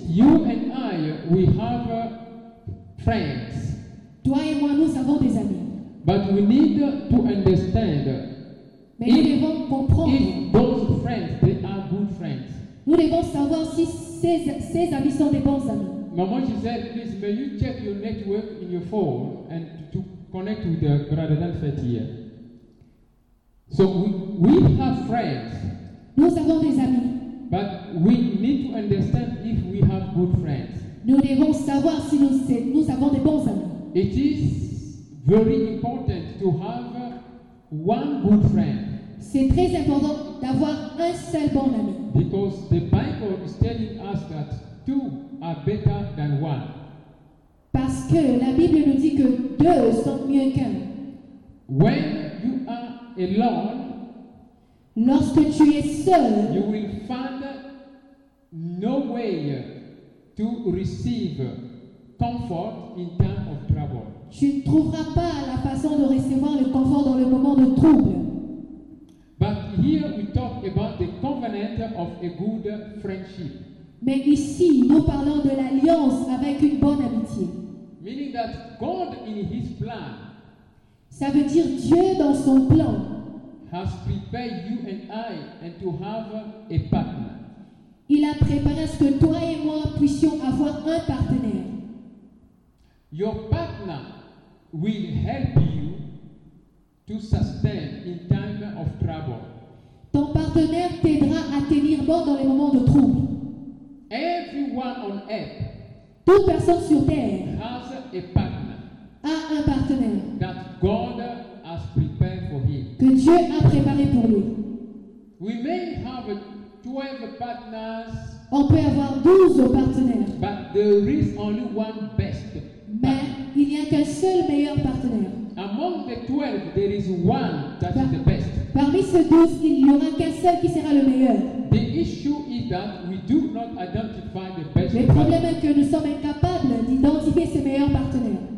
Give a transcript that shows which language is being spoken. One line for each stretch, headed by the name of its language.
English: You and I, we have friends.
French: Toi et moi, nous avons des amis.
English: But we need to understand.
French: Mais nous devons comprendre.
English: If those friends, they are good friends.
French: Nous devons savoir si ces amis sont des bons amis.
English: Maman, she said, please, may you check your network in your phone and to connect with the brother and sister here. So we have friends.
French: Nous avons des amis.
English: But we need to understand if we have good friends.
French: Nous devons savoir si nous avons des bons amis.
English: It is very important to have one good friend.
French: C'est très important d'avoir un seul bon ami.
English: Because the Bible is telling us that two are better than one.
French: Parce que la Bible nous dit que deux sont mieux qu'un.
English: When you are alone,
French: lorsque tu es seul,
English: you will find no way to receive comfort in time of trouble.
French: Tu ne trouveras pas la façon de recevoir le confort dans le moment de trouble.
English: But here we talk about the covenant of a good friendship.
French: Mais ici, nous parlons de l'alliance avec une bonne amitié.
English: Meaning that God in his plan,
French: ça veut dire Dieu dans son plan,
English: has prepared you and I and to have a partner.
French: Il a préparé ce que toi et moi puissions avoir un partenaire.
English: Your partner will help you to sustain in time of trouble.
French: Ton partenaire t'aidera à tenir bon dans les moments de trouble.
English: Everyone on earth,
French: toute personne sur terre,
English: has a partner,
French: a un partenaire
English: that God has prepared for him,
French: que Dieu a préparé pour lui.
English: We may have 12 partners,
French: on peut avoir 12 partenaires,
English: but there is only one best partner.
French: Mais il n'y a qu'un seul meilleur partenaire.
English: Among the 12, there is one that is the best.
French: Parmi ces 12, il n'y aura qu'un seul qui sera le meilleur.
English: The issue is that we do not identify the best.
French: Le problème est que nous sommes incapables d'identifier ce meilleur partenaire.